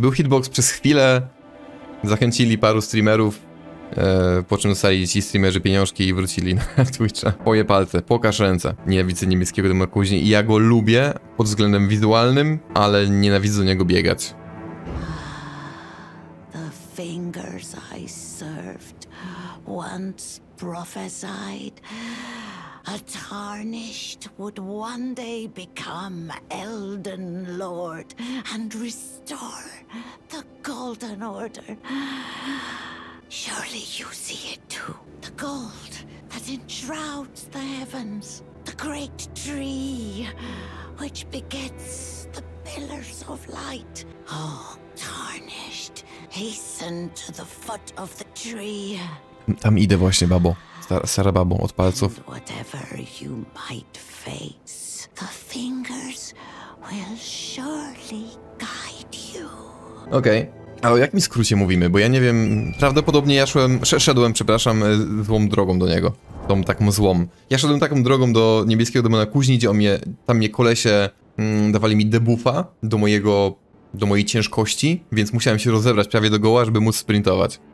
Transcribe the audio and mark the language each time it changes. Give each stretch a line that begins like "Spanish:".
Polish: Był hitbox przez chwilę. Zachęcili paru streamerów. Po czym dostali ci streamerzy pieniążki i wrócili na Twitcha. Poje palce, pokaż ręce. Nienawidzę niemieckiego dymu później. I ja go lubię pod względem wizualnym, ale nienawidzę do niego biegać.
English: Fingers I served, once prophesied, a tarnished would one day become Elden Lord and restore the Golden Order. Surely you see it too. The gold that enshrouds the heavens, the great tree which begets the pillars of light. Oh, tarnished. Hasten to the foot of the tree. Tam idę właśnie, babo. Stara babo, od palców. And whatever you might face, the fingers will surely guide you.
Polish: Okej. Okay. A o jakim skrócie mówimy? Bo ja nie wiem. Prawdopodobnie ja szedłem, przepraszam, złą drogą do niego. Tą taką złą. Ja szedłem taką drogą do niebieskiego demona kuźni, gdzie on mnie, tam mnie kolesie dawali mi debuffa do mojego... do mojej ciężkości, więc musiałem się rozebrać prawie do goła, żeby móc sprintować.